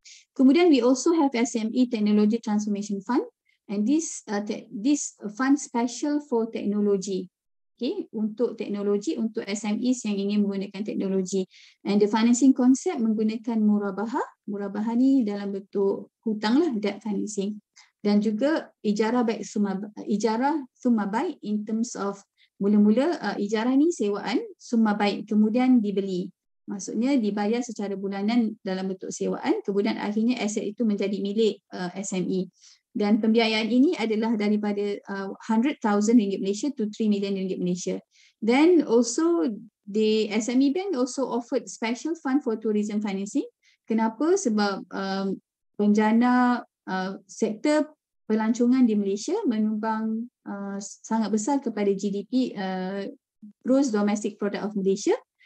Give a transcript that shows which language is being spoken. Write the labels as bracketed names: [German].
[Malay] Kemudian [English] we also have SME Technology Transformation Fund, and this fund special for technology. [Malay] Okay, untuk teknologi, untuk SMEs yang ingin menggunakan teknologi. [English] And the financing concept [Malay] menggunakan murabahah. Murabahah ni dalam bentuk hutang lah, [English] debt financing. [Malay] Dan juga ijarah sumabai [English] in terms of [Malay] mula-mula ijarah ni sewaan, sumabai kemudian dibeli. Maksudnya dibayar secara bulanan dalam bentuk sewaan, kemudian akhirnya aset itu menjadi milik SME. Dan pembiayaan ini adalah daripada RM100,000 Malaysia [English] to RM3 million Malaysia. Then also the SME bank also offered special fund for tourism financing. [Malay] Kenapa? Sebab penjana sektor pelancongan di Malaysia menyumbang sangat besar kepada GDP, [English] gross domestic product of Malaysia.